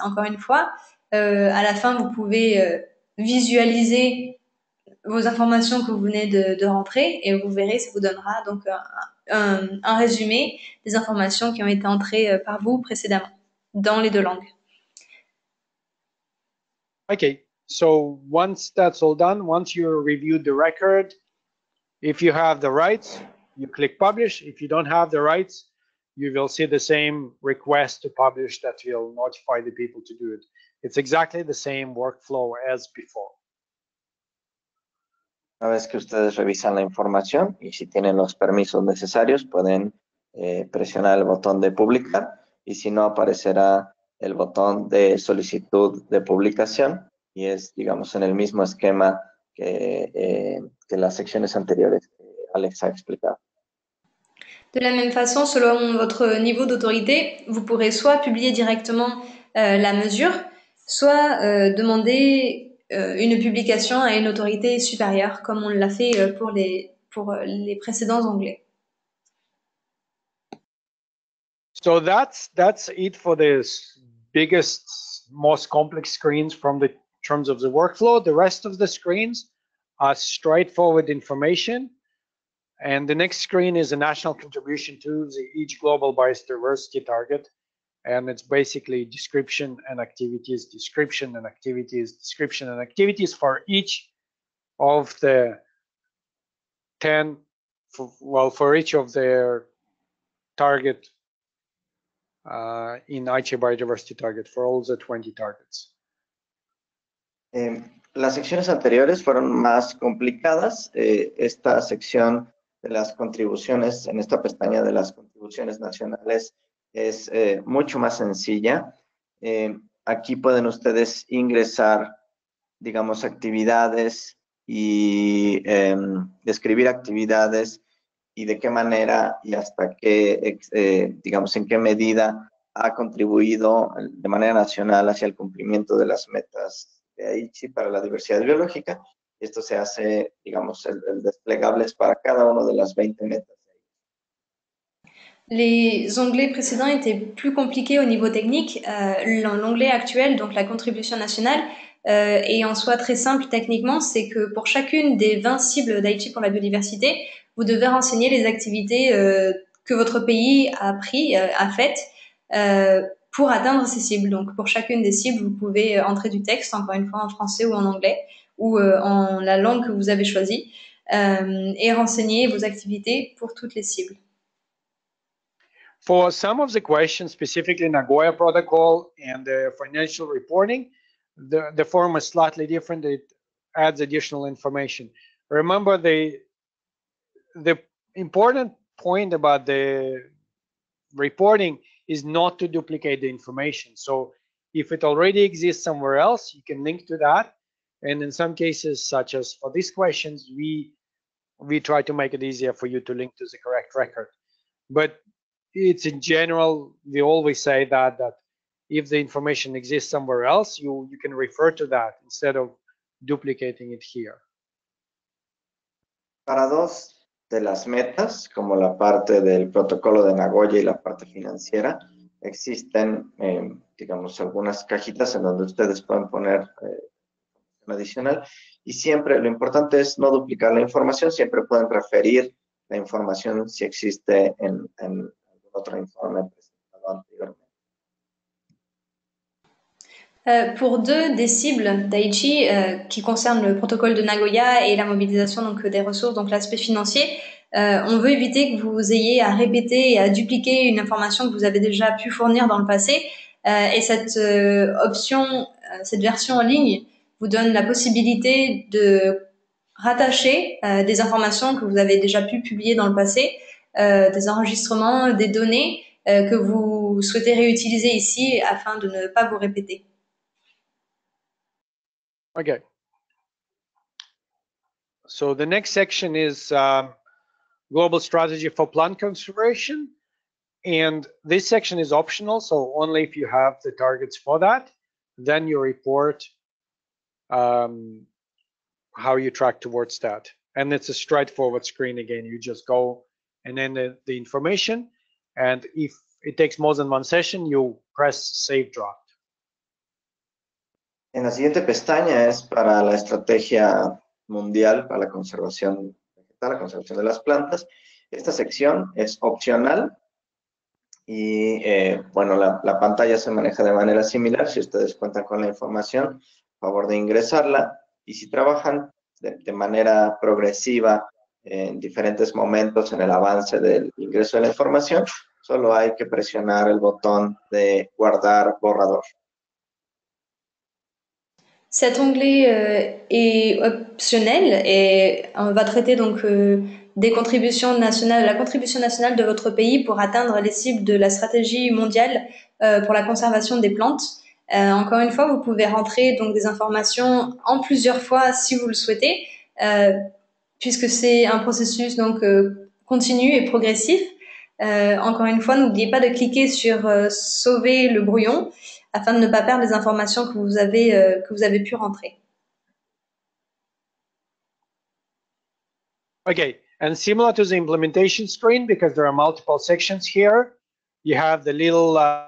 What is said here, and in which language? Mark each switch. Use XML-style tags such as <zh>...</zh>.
<fr>Encore une fois, à la fin, vous pouvez visualiser vos informations que vous venez de rentrer et vous verrez, ça vous donnera donc un résumé des informations qui ont été entrées par vous précédemment dans les deux langues. OK.</fr> <en>So once that's all done, once you review the record, if you have the rights, you click publish. If you don't have the rights, you will see the same request to publish that will notify the people to do it. It's exactly the same workflow as before.</en> <es>Una vez que ustedes revisan la información y si tienen los permisos necesarios, pueden presionar el botón de publicar y si no, aparecerá el botón de solicitud de publicación y es, digamos, en el mismo esquema que las secciones anteriores que Alex ha explicado.</es> <fr>De la même façon, selon votre niveau d'autorité, vous pourrez soit publier directement la mesure, soit demander une publication à une autorité supérieure, comme on l'a fait pour les précédents onglets.</fr> <en>So that's it for this biggest most complex screens from the terms of the workflow. The rest of the screens are straightforward information. And the next screen is a national contribution to the each global biodiversity target. And it's basically description and activities, description and activities, description and activities for each of the 10, for each of their target in Aichi biodiversity target, for all the 20 targets.</en> <es>Las secciones anteriores fueron más complicadas. Esta sección de las contribuciones, en esta pestaña de las contribuciones nacionales, es mucho más sencilla. Aquí pueden ustedes ingresar, digamos, actividades y describir actividades y de qué manera y hasta qué, digamos, en qué medida ha contribuido de manera nacional hacia el cumplimiento de las metas de Aichi para la diversidad biológica. Esto se hace, digamos, el desplegable es para cada uno de las 20 metas.</es> <fr>Les onglets précédents étaient plus compliqués au niveau technique. L'onglet actuel, donc la contribution nationale, est en soi très simple techniquement. C'est que pour chacune des 20 cibles d'Aichi pour la biodiversité, vous devez renseigner les activités que votre pays a pris, a faites, pour atteindre ces cibles. Donc pour chacune des cibles, vous pouvez entrer du texte, encore une fois en français ou en anglais, ou en la langue que vous avez choisie, et renseigner vos activités pour toutes les cibles.</fr> <en>For some of the questions, specifically Nagoya Protocol and the financial reporting, the form is slightly different. It adds additional information. Remember, the important point about the reporting is not to duplicate the information. So if it already exists somewhere else, you can link to that. And in some cases, such as for these questions, we try to make it easier for you to link to the correct record. But it's in general, we always say that if the information exists somewhere else, you can refer to that instead of duplicating it here.</en> <es>Para dos de las metas, como la parte del protocolo de Nagoya y la parte financiera, existen, digamos, algunas cajitas en donde ustedes pueden poner información adicional. Y siempre, lo importante es no duplicar la información, siempre pueden referir la información si existe en otro informe presentado anteriormente.</es> <fr>Pour deux des cibles d'Aichi qui concernent le protocole de Nagoya et la mobilisation donc, des ressources, donc l'aspect financier, on veut éviter que vous ayez à répéter et à dupliquer une information que vous avez déjà pu fournir dans le passé. Et cette option, cette version en ligne, vous donne la possibilité de rattacher des informations que vous avez déjà pu publier dans le passé, des enregistrements, des données que vous souhaitez réutiliser ici afin de ne pas vous répéter. Okay.</fr> <en>So the next section is Global Strategy for Plant Conservation. And this section is optional, so only if you have the targets for that, then you report how you track towards that. And it's a straightforward screen again. You just go and enter the information. And if it takes more than one session, you press save draft.</en> <es>En la siguiente pestaña es para la estrategia mundial para la conservación vegetal, la conservación de las plantas. Esta sección es opcional y, bueno, la pantalla se maneja de manera similar. Si ustedes cuentan con la información, a favor de ingresarla. Y si trabajan de manera progresiva en diferentes momentos en el avance del ingreso de la información, solo hay que presionar el botón de guardar borrador.</es> <fr>Cet onglet est optionnel et on va traiter donc des contributions nationales, la contribution nationale de votre pays pour atteindre les cibles de la stratégie mondiale pour la conservation des plantes. Encore une fois, vous pouvez rentrer donc des informations en plusieurs fois si vous le souhaitez, puisque c'est un processus donc continu et progressif. Encore une fois, n'oubliez pas de cliquer sur sauver le brouillon afin de ne pas perdre les informations que vous avez pu rentrer.</fr> <en>Okay, and similar to the implementation screen, because there are multiple sections here, you have the little</en>